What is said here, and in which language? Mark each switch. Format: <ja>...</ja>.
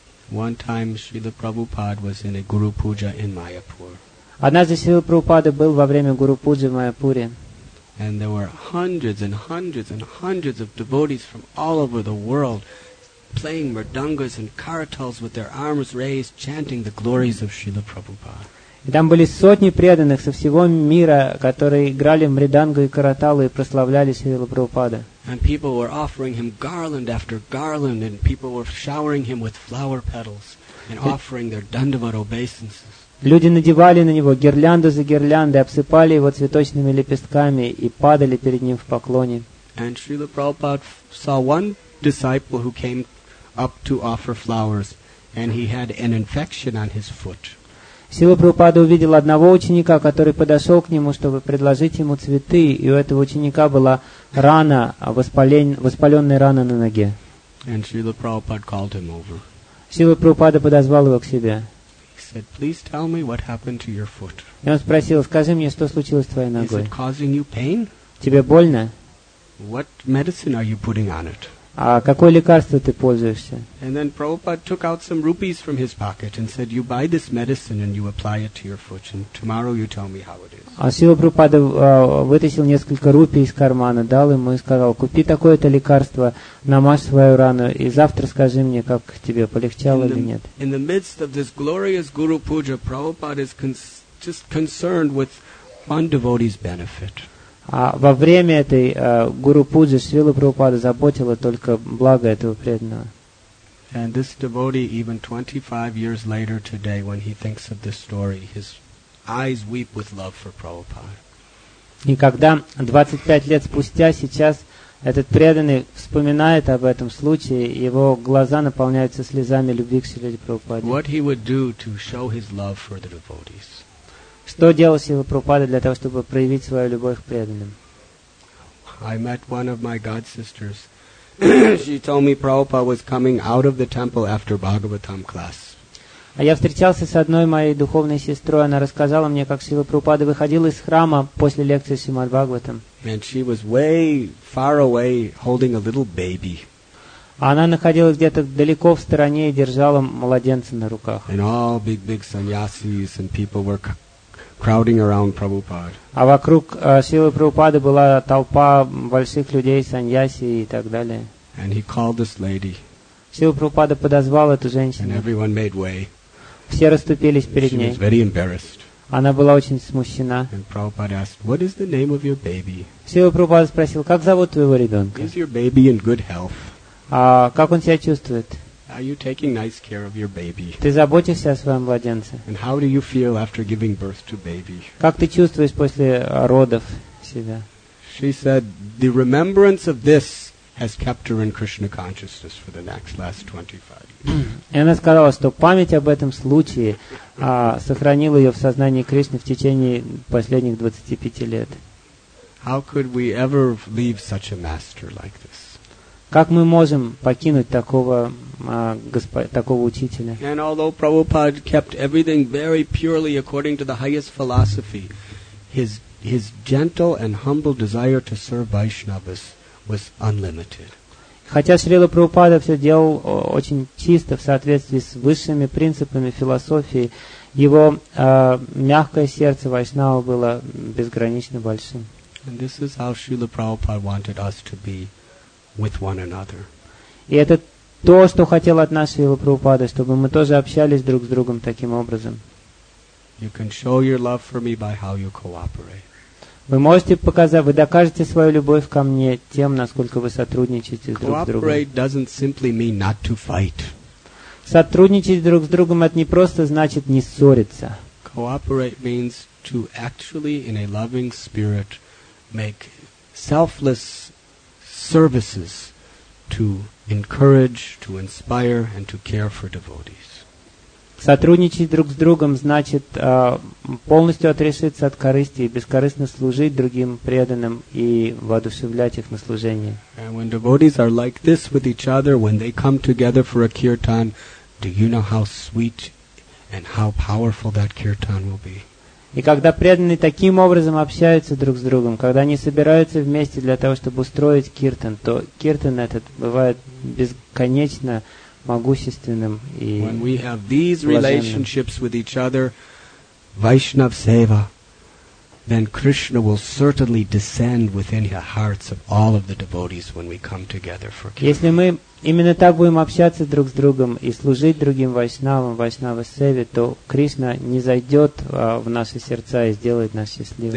<en>One time Srila Prabhupada was in a Guru Puja in Mayapur.</en> <ru>Однажды Шрила Прабхупада был во время Гуру Пуджи в Майяпуре.</ru> <en>And there were hundreds and hundreds and hundreds of devotees from all over the world playing mridangas and kartals with their arms raised, chanting the glories of Srila Prabhupada.</en> <ru>И там были сотни преданных со всего мира, которые играли мриданго и караталы и прославляли Шрилу Прабхупаду.</ru> <en>And people were offering him garland after garland, and people were showering him with flower petals and offering their dandavat obeisances.</en> <ru>Люди надевали на него гирлянду за гирляндой, обсыпали его цветочными лепестками и падали перед ним в поклоне.</ru> <en>And Srila Prabhupada saw one disciple who came up to offer flowers, and he had an infection on his foot.</en> <ru>Шрила Прабхупада увидел одного ученика, который подошел к нему, чтобы предложить ему цветы, и у этого ученика была рана, воспаленная рана на ноге.</ru> <en>And Srila Prabhupada called him over.</en> <ru>Шрила Прабхупада подозвал его к себе.</ru> <en>Said, please tell me what happened to your foot.</en> <ru>И он спросил, скажи мне, что случилось с твоей ногой?</ru> <en>Is it causing you pain?</en> <ru>Тебе больно?</ru> <en>What medicine are you putting on it?</en> <ru>А какое лекарство ты пользуешься?</ru> <en>And then Prabhupada took out some rupees from his pocket and said, you buy this medicine and you apply it to your foot and tomorrow you tell me how it is.</en> <ru>А Шрила Прабхупада вытащил несколько рупий из кармана, дал ему и сказал, купи такое-то лекарство, намажь свою рану и завтра скажи мне, как тебе, полегчало или нет.</ru> <en>In the midst of this glorious Guru Puja, Prabhupada is just concerned with one devotee's benefit.</en> <ru>А во время этой Гуру Пуджи Шрила Прабхупада заботила только благо этого преданного.</ru> <en>And this devotee, even 25 years later today, when he thinks of this story, his eyes weep with love for Prabhupada.</en> <ru>И когда 25 лет спустя сейчас этот преданный вспоминает об этом случае, его глаза наполняются слезами любви к Шриле Прабхупаде.</ru> <en>What he would do to show his love for the devotees.</en> <ru>Что делал Шрила Прабхупада для того, чтобы проявить свою любовь к преданным?</ru> <en>I met one of my god sisters. She told me Prabhupada was coming out of the temple after Bhagavatam class.</en> <ru>А я встречался с одной моей духовной сестрой. Она рассказала мне, как Шрила Прабхупада выходил из храма после лекции Шримад Бхагаватам.</ru> <en>And she was way far away holding a little baby.</en> <ru>Она находилась где-то далеко в стороне и держала младенца на руках.</ru> <en>And all big, big sannyasis and people were crowding around Prabhupada.</en> <ru>А вокруг Шрилы Прабхупады была толпа больших людей, саньяси и так далее.</ru> <en>And he called this lady.</en> <ru>Шрила Прабхупада подозвал эту женщину.</ru> <en>And everyone made way.</en> <ru>Все расступились перед ней.</ru> <en>She was very embarrassed.</en> <ru>Она была очень смущена.</ru> <en>And Prabhupada asked, "What is the name of your baby?"</en> <ru>Шрила Прабхупада спросил, как зовут твоего ребенка?</ru> <en>Is your baby in good health?</en> <ru>Как он себя чувствует?</ru> <en>Are you taking nice care of your baby?</en> <ru>Ты заботишься о своем младенце?</ru> <en>And how do you feel after giving birth to baby?</en> <ru>Как ты чувствуешь после родов себя?</ru> <en>She said, "The remembrance of this has kept her in Krishna consciousness for the next last 25 years."</en> <ru>И она сказала, что память об этом случае сохранила ее в сознании Кришны в течение последних 25 лет.</ru> <en>How could we ever leave such a master like this?</en> <ru>Как мы можем покинуть такого, такого учителя?</ru> <en>And although Prabhupada kept everything very purely according to the highest philosophy, his gentle and humble desire to serve Vaishnavas was unlimited.</en> <ru>Хотя Шрила Прабхупада все делал очень чисто в соответствии с высшими принципами философии, его мягкое сердце Вайшнава было безгранично большим.</ru> <en>And this is how Srila Prabhupada wanted us to be with one another.</en> <ru>И это то, что хотел от нас Шрила Прабхупада, чтобы мы тоже общались друг с другом таким образом.</ru> <en>You can show your love for me by how you cooperate.</en> <ru>Вы можете показать, вы докажете свою любовь ко мне тем, насколько вы сотрудничаете друг с другом.</ru> <en>Cooperate doesn't simply mean not to fight.</en> <ru>Сотрудничать друг с другом это не просто значит не ссориться.</ru> <en>Cooperate means to actually in a loving spirit make selfless services to encourage, to inspire, and to care for devotees.</en> <ru>Сотрудничать друг с другом значит полностью отрешиться от корысти и бескорыстно служить другим преданным и воодушевлять их на служение.</ru> <en>And when devotees are like this with each other, when they come together for a kirtan, do you know how sweet and how powerful that kirtan will be?</en> <ru>И когда преданные таким образом общаются друг с другом, когда они собираются вместе для того, чтобы устроить киртан, то киртан этот бывает бесконечно могущественным и</ru> <en>When we have these relationships with each other, Vaishnav Seva, then Krishna will certainly descend within the hearts of all of the devotees when we come together for kirtan.</en> <ru>Если мы именно так будем общаться друг с другом и служить другим вайшнавам, вайшнава-севе, то Кришна не зайдет в наши сердца и сделает нас счастливыми.</ru>